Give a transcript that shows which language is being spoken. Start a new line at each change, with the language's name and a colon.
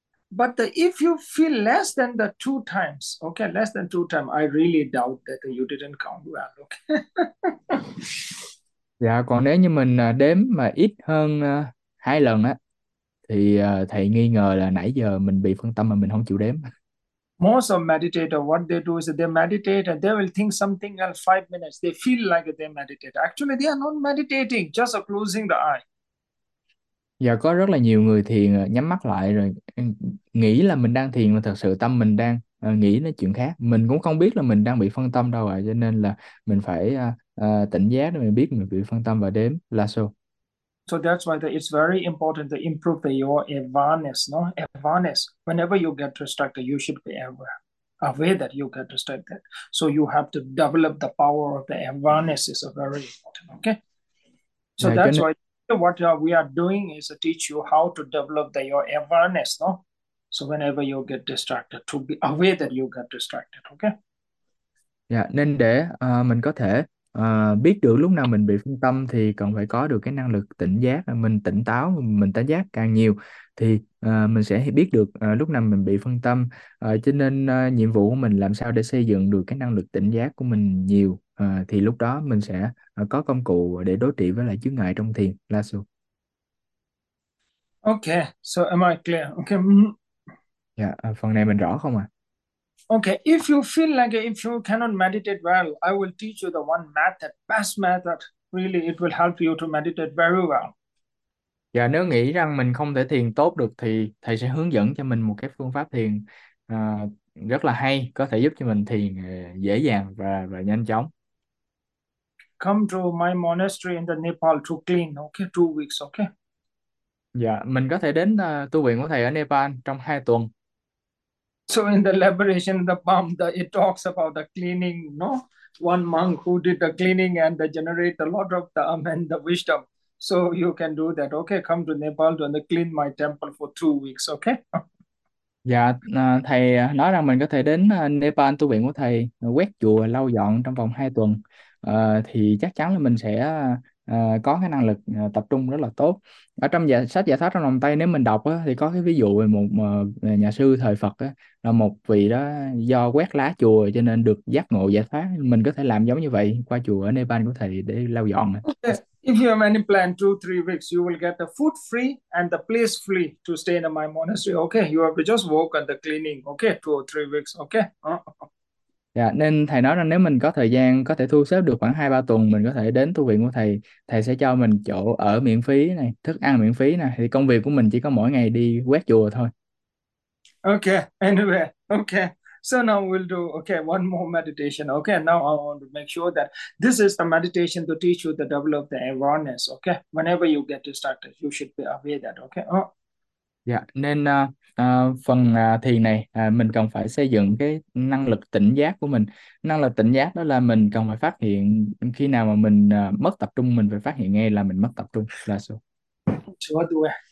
English: But if you feel less than the 2 times, okay, less than 2 times, I really doubt that you didn't count well, okay?
Vietnamese: Dạ, còn nếu như mình đếm mà ít hơn 2 lần á thì thầy nghi ngờ là nãy giờ mình bị phân tâm mà mình không chịu đếm.
English: Most of meditator, what they do is that they meditate and they will think something else 5 minutes. They feel like they meditate. Actually, they are not meditating, just closing the eye.
Vietnamese: Giờ có rất là nhiều người thiền nhắm mắt lại rồi nghĩ là mình đang thiền mà thật sự tâm mình đang nghĩ đến chuyện khác, mình cũng không biết là mình đang bị phân tâm đâu ạ, cho nên là mình phải tỉnh giác để mình biết mình bị phân tâm và đếm là số.
English: So that's why it's very important to improve your awareness, no? Awareness. Whenever you get distracted, you should be aware that you get distracted. So you have to develop the power of the awareness is very important, okay? So
Vietnamese: Dạ, cho
English: that's
Vietnamese: nên
English: why what we are doing is to teach you how to develop your awareness, no? So whenever you get distracted, to be aware that you get distracted, okay?
Vietnamese: dạ, nên để mình có thể biết được lúc nào mình bị phân tâm thì cần phải có được cái năng lực tỉnh giác, mình tỉnh táo, mình tỉnh giác càng nhiều thì mình sẽ biết được lúc nào mình bị phân tâm. Cho nên nhiệm vụ của mình làm sao để xây dựng được cái năng lực tỉnh giác của mình nhiều, thì lúc đó mình sẽ có công cụ để đối trị với lại chướng ngại trong thiền. Lasso.
English: Okay, so am I clear? Okay.
Vietnamese: Dạ, phần này mình rõ không ạ? À?
English: Okay, if you feel like if you cannot meditate well, I will teach you the one method, best method. Really, it will help you to meditate very well.
Vietnamese: Và nếu nghĩ rằng mình không thể thiền tốt được thì thầy sẽ hướng dẫn cho mình một cái phương pháp thiền rất là hay, có thể giúp cho mình thiền dễ dàng và nhanh chóng.
English: Come to my monastery in the Nepal to clean, okay, 2 weeks, okay?
Vietnamese: Dạ, mình có thể đến tu viện của thầy ở Nepal trong 2 tuần.
English: So in the liberation, the bomb, the it talks about the cleaning, no? One monk who did the cleaning and they generate a lot of dharma and the wisdom. So you can do that. Okay, come to Nepal to clean my temple for 2 weeks, okay?
Vietnamese: Dạ, thầy nói rằng mình có thể đến Nepal tu viện của thầy, quét chùa, lau dọn trong vòng 2 tuần. Thì chắc chắn là mình sẽ có cái năng lực tập trung rất là tốt. Ở trong sách Giải Thoát Trong Lòng Tay, nếu mình đọc thì có cái ví dụ về một nhà sư thời Phật, là một vị đó do quét lá chùa cho nên được giác ngộ giải thoát. Mình có thể làm giống như vậy qua chùa ở Nepal của thầy để lau dọn.
English: If you have any plan 2 3 weeks, you will get the food free and the place free to stay in my monastery. Okay, you have to just work on the cleaning. Okay, 2 or 3 weeks. Okay.
Vietnamese: Dạ, nên thầy nói rằng nếu mình có thời gian có thể thu xếp được khoảng 2 3 tuần, mình có thể đến tu viện của thầy, thầy sẽ cho mình chỗ ở miễn phí này, thức ăn miễn phí này, thì công việc của mình chỉ có mỗi ngày đi quét chùa thôi.
English: Okay. Anyway. Okay. So now we'll do okay one more meditation. Okay, now I want to make sure that this is the meditation to teach you to develop the awareness. Okay, whenever you get distracted, you should be aware that. Okay. Oh.
Vietnamese: Dạ, nên phần thiền này mình cần phải xây dựng cái năng lực tỉnh giác của mình. Năng lực tỉnh giác đó là mình cần phải phát hiện khi nào mà mình mất tập trung, mình phải phát hiện ngay là mình mất tập trung. Là số.
English: What